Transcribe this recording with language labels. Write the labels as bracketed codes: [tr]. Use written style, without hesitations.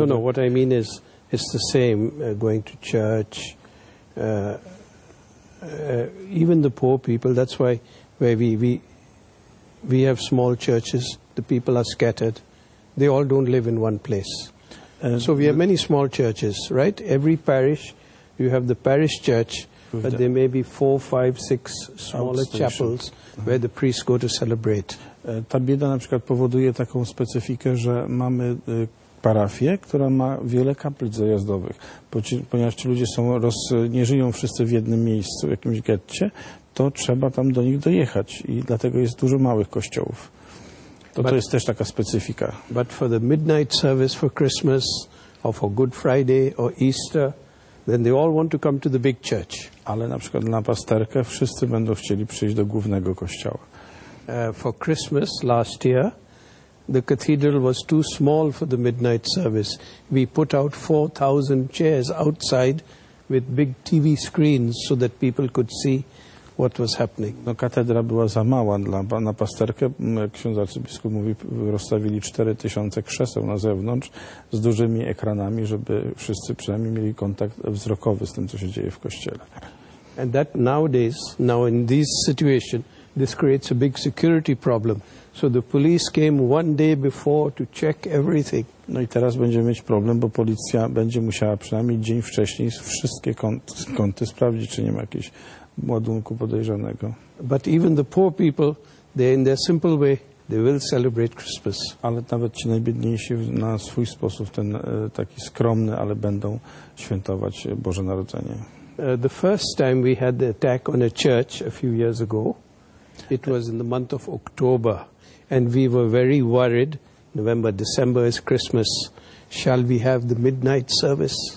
[en] No, what I mean is, it's the same, going to church, even the poor people, that's why where we have small churches, the people are scattered, they all don't live in one place. So we have many small churches, right? Every parish, you have the parish church, but there may be 4, 5, 6 smaller chapels where the priests go to celebrate. [pl] Ta bieda na przykład powoduje taką specyfikę, że mamy parafię, która ma wiele kaplic zajazdowych. Ponieważ ci ludzie nie żyją wszyscy w jednym miejscu, w jakimś getcie, to trzeba tam do nich dojechać i dlatego jest dużo małych kościołów. To jest też taka specyfika. [en] But for the midnight service for Christmas or for Good Friday or Easter, then they all want to come to the big church. [pl] Ale na przykład na pasterkę wszyscy będą chcieli przyjść do głównego kościoła. [en] For Christmas last year, the cathedral was too small for the midnight service. We put out 4,000 chairs outside with big TV screens so that people could see what was happening. [pl] No, katedra była za mała na pasterkę. Ksiądz arcybiskup mówi, rozstawili 4000 krzeseł na zewnątrz z dużymi ekranami, żeby wszyscy przynajmniej mieli kontakt wzrokowy z tym, co się dzieje w kościele. [en] And that nowadays, now in this situation, this creates a big security problem. So the police came one day before to check everything. [pl] No i teraz będziemy mieć problem, bo policja będzie musiała przynajmniej dzień wcześniej wszystkie kąty sprawdzić, czy nie ma jakichś ładunku podejrzanego. [en] But even the poor people, they in their simple way, they will celebrate Christmas. [pl] Ale nawet ci najbiedniejsi na swój sposób, ten taki skromny, ale będą świętować Boże Narodzenie. [en] The first time we had the attack on a church a few years ago, it was in the month of October, and we were very worried. November, December is Christmas. Shall we have the midnight service?